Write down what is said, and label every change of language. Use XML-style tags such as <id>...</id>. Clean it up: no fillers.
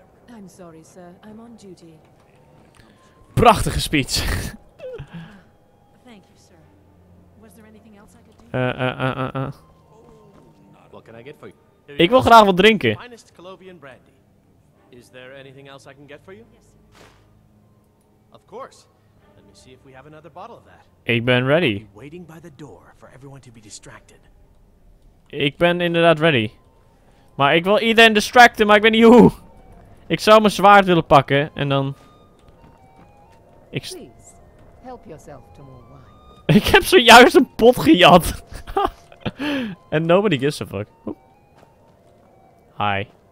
<en>I'm sorry, sir. I'm on duty.</en> <nl>Prachtige speech.</nl> <en>Thank you, sir. Was there anything else I could do? What can I get for you?</en> <nl>Ik wil graag wat drinken.</nl> <en>Finest Colombian brandy. Is there anything else I can get for you? Yes, sir. Of course. Let me see if we have another bottle of that.</en> <nl>Ik ben ready.</nl> <en>Waiting by the door for everyone to be distracted.</en> <nl>Ik ben inderdaad ready. Maar ik wil iedereen distracten, maar ik weet niet hoe. Ik zou mijn zwaard willen pakken en dan...</nl> <en>Please, help yourself to more wine.</en> <nl>Ik heb zojuist een pot gejat.</nl> <en>En nobody gives a fuck. Hi.</en>